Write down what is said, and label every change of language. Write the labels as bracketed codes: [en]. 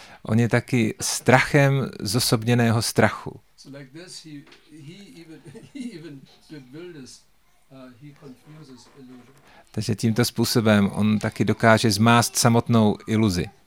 [cs] On je taky strachem zosobněného strachu. [en] So like this he even bewilders, he confuses illusion. [cs] Takže tímto způsobem on taky dokáže zmást samotnou iluzi.